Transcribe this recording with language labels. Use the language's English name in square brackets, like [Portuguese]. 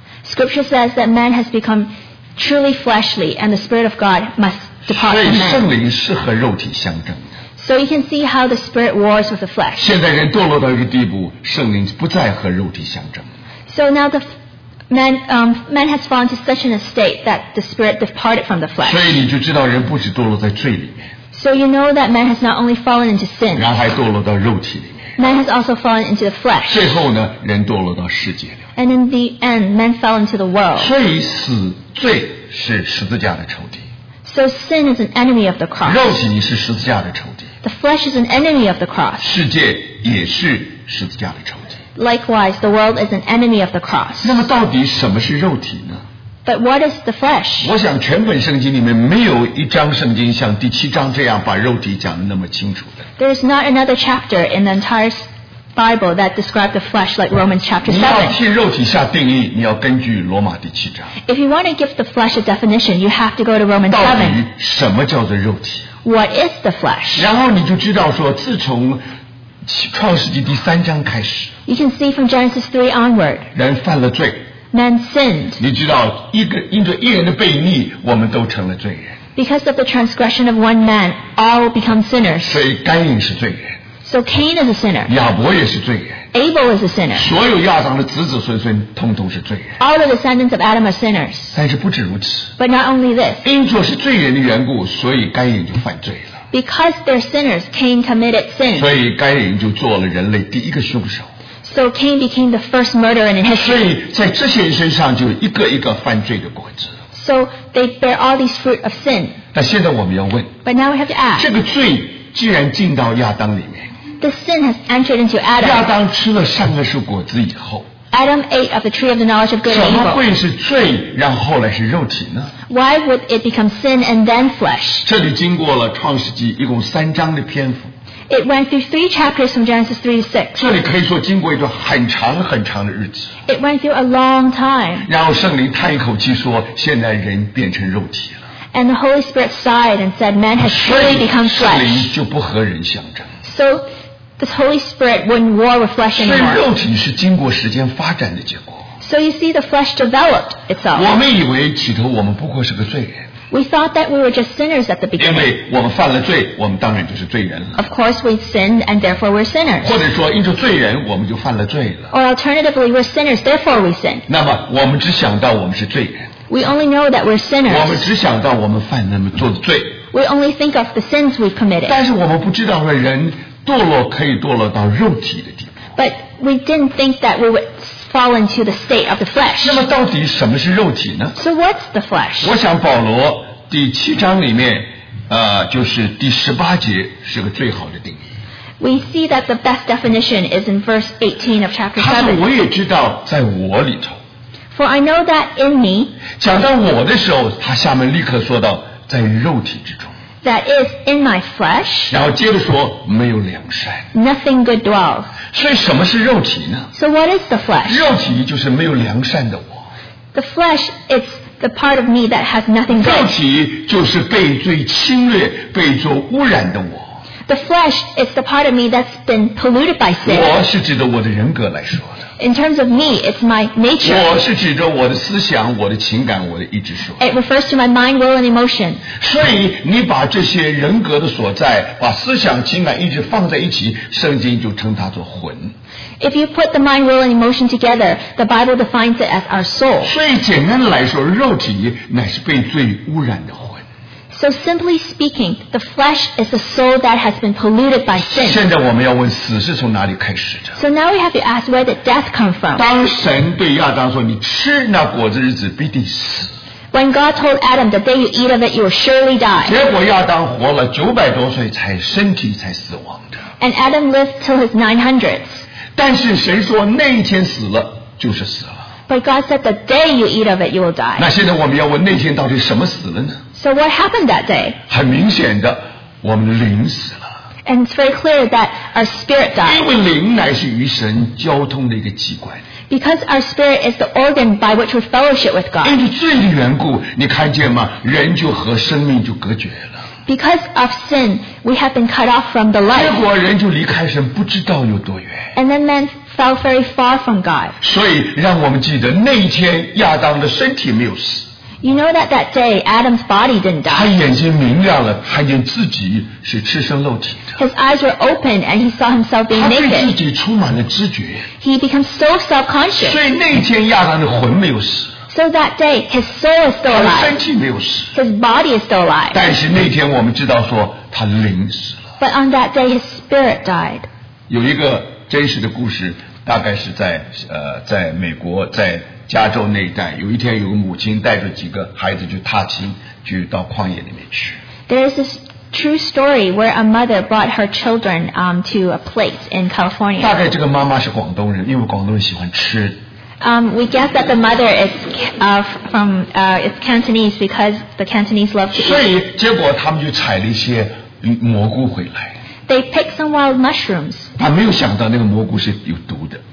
[English] Scripture says that man has become truly fleshly, and the Spirit of God must depart from man. [Chinese] 所以圣灵是和肉体相争。 [English] So you can see how the spirit wars with the flesh. [Chinese] 现在人堕落到一个地步，圣灵不再和肉体相争。 [English] So now the man has fallen to such an estate that the spirit departed from the flesh. [Chinese] 所以你就知道人不止堕落在罪里面。 [English] So you know that man has not only fallen into sin. [Chinese] 然后还堕落到肉体里面。 [English] Man has also fallen into the flesh. [Chinese] 最后呢，人堕落到世界里。 [English] And in the end, man fell into the world. [Chinese] 所以死罪是十字架的仇敌。 [English] So sin is an enemy of the cross. [Chinese] 肉体是十字架的仇敌。 [English] The flesh is an enemy of the cross. [Chinese] 世界也是十字架的仇敌。 [English] Likewise, the world is an enemy of the cross. [Chinese] 那么到底什么是肉体呢？ [English] But what is the flesh? [Chinese] 我想全本圣经里面没有一章圣经像第七章这样把肉体讲得那么清楚的。 [English] There is not another chapter in the entire Bible that describes the flesh like Romans chapter 7. [Chinese] 你要替肉体下定义，你要根据罗马第七章。 [English] If you want to give the flesh a definition, you have to go to Romans 7. [Chinese] 到底什么叫做肉体？ [English] What is the flesh? [Chinese] 然后你就知道说，自从创世纪第三章开始， [English] You can see from Genesis 3 onward. [Chinese] 人犯了罪。 [English] Man sinned. [Chinese] 你知道，因着一人的悖逆，我们都成了罪人。 [English] Because of the transgression of one man, all become sinners. [Chinese] 所以该隐是罪人。 [English] So Cain is a sinner. [Chinese] 亚伯也是罪人。 [English] Abel is a sinner. [Chinese] 所有亚当的子子孙孙通通是罪人。 [English] All the descendants of Adam are sinners. [Chinese] 但是不止如此。 [English] But not only this. [Chinese] 因着是罪人的缘故，所以该隐就犯罪了。 [English] Because they're sinners, Cain committed sin. [Chinese] 所以该隐就做了人类第一个凶手。 [English] So Cain became the first murderer in history. [Chinese] 所以在这些人身上就一个一个犯罪的果子。 [English] So they bear all these fruit of sin. [Chinese] 但现在我们要问。 [English] But now we have to ask. [Chinese] 这个罪既然进到亚当里面。 [English] The sin has entered into Adam. [Chinese] 亚当吃了善恶树果子以后。 [English] Adam ate of the tree of the knowledge of good and evil. [Chinese] 怎么会是罪，然后后来是肉体呢？ [English] Why would it become sin and then flesh? [Chinese] 这里经过了创世纪一共三章的篇幅。 [English] It went through three chapters from Genesis 3 to 6. [Chinese] 这里可以说经过一段很长很长的日子。 [English] It went through a long time. [Chinese] 然后圣灵叹一口气说，现在人变成肉体了。 [English] And the Holy Spirit sighed and said, man has truly become flesh. [Chinese] 圣灵就不和人相争。 [English] So the Holy Spirit wouldn't war with flesh anymore. [Chinese] 所以肉体是经过时间发展的结果。 [English] So you see the flesh developed itself. [Chinese] 我们以为起初我们不过是个罪人。 [English] We thought that we were just sinners at the beginning. [Chinese] 因为我们犯了罪，我们当然就是罪人了。 [English] Of course we sinned and therefore we're sinners. [Chinese] 或者说因着罪人我们就犯了罪了。 [English] Or alternatively we're sinners therefore we sin. [Chinese] 那么我们只想到我们是罪人。 [English] We only know that we're sinners. [Chinese] 我们只想到我们犯那么做的罪。 [English] We only think of the sins we've committed. [Chinese] 但是我们不知道人堕落可以堕落到肉体的地步。 [English] But we didn't think that we would fall into the state of the flesh. [Chinese] 那么到底什么是肉体呢？ [English] So what's the flesh? [Chinese] 我想保罗第七章里面，就是第十八节是个最好的定义。 [English] We see that the best definition is in verse 18 of chapter 7. [Chinese] 他说我也知道在我里头。 [English] For I know that in me. [Chinese] 讲到我的时候，他下面立刻说到在肉体之中。 [English] That is in my flesh. [Chinese] 然后接着说没有良善。 [English] Nothing good dwells. [Chinese] 所以什么是肉体呢？ [English] So what is the flesh? [Chinese] 肉体就是没有良善的我。 [English] The flesh is the part of me that has nothing good. [Chinese] 肉体就是被罪侵略，被罪污染的我。 [English] The flesh is the part of me that's been polluted by sin. [Chinese] 我是指着我的人格来说的。 [English] In terms of me, it's my nature. [Chinese] 我是指着我的思想、我的情感、我的意志说。 [English] It refers to my mind, will, and emotion. [Chinese] 所以你把这些人格的所在，把思想、情感、意志放在一起，圣经就称它做魂。 [English] If you put the mind, will, and emotion together, the Bible defines it as our soul. [Chinese] 所以简单的来说，肉体乃是被罪污染的魂。 [English] So simply speaking, the flesh is the soul that has been polluted by sin. [Chinese] 现在我们要问死是从哪里开始的。 [English] So now we have to ask where did death come from? [Chinese] 当神对亚当说你吃那果子日子必定死。 [English] When God told Adam the day you eat of it, you will surely die. [Chinese] 结果亚当活了九百多岁才身体才死亡的。 [English] And Adam lived till his 900s. [Chinese] 但是神说那一天死了就是死了。 [English] But God said the day you eat of it, you will die. [Chinese] 那现在我们要问那天到底什么死了呢？ [English] So what happened that day? [Chinese] 很明显的，我们的灵死了。 [English] And it's very clear that our spirit died. [Chinese] 因为灵乃是与神交通的一个机关。 [English] Because our spirit is the organ by which we fellowship with God. [Chinese] 因为罪的缘故，你看见吗？人就和生命就隔绝了。 [English] Because of sin, we have been cut off from the life. [Chinese] 结果人就离开神，不知道有多远。 [English] And then man fell very far from God. [Chinese] 所以让我们记得那一天亚当的身体没有死。 [English] You know that that day Adam's body didn't die. [Chinese] 他眼睛明亮了，看见自己是赤身露体的。 [English] His eyes were open and he saw himself being naked. [Chinese] 他对自己充满了知觉。 [English] He became so self-conscious. [Chinese] 所以那天亚当的魂没有死。 [English] So that day his soul is still alive. [Chinese] 他身体没有死。 [English] His body is still alive. [Chinese] 但是那天我们知道说他灵死了。 [English] But on that day his spirit died. [Chinese] 有一个真实的故事，大概是在在美国，在加州那一带，有一天有个母亲带着几个孩子去踏青，去到旷野里面去。 [English] There is this true story where a mother brought her children to a place in California. [Chinese] 大概这个妈妈是广东人，因为广东人喜欢吃。 [English] We guess that the mother is from it's Cantonese because the Cantonese love to eat. [Chinese] 所以结果他们就采了一些蘑菇回来。 [English] They picked some wild mushrooms. [Chinese] 他没有想到那个蘑菇是有毒的。